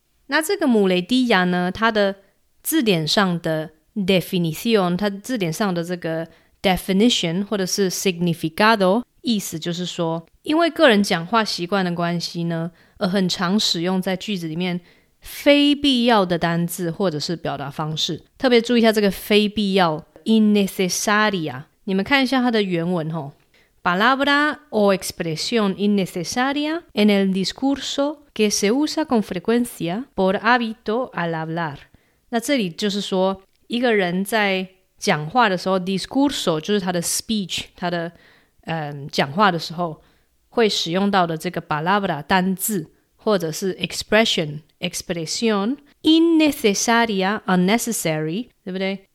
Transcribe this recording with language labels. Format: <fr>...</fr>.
<zh>那这个母雷蒂亚呢，它的字典上的definición， 它字典上的这个 definition 或者是 significado， 意思就是说因为个人讲话习惯的关系呢，而很常使用在句子里面非必要的单字或者是表达方式。特别注意一下这个非必要 innecesaria， 你们看一下它的原文哦，</zh> <es>palabra o expresión innecesaria en el discurso que se usa con frecuencia por hábito al hablar。</es> <zh>那这里就是说一个人在讲话的时候 discurso 就是他的 speech， 他的讲话的时候会使用到的这个 palabra 单字或者是 expression innecesaria unnecessary， 对不对？</zh>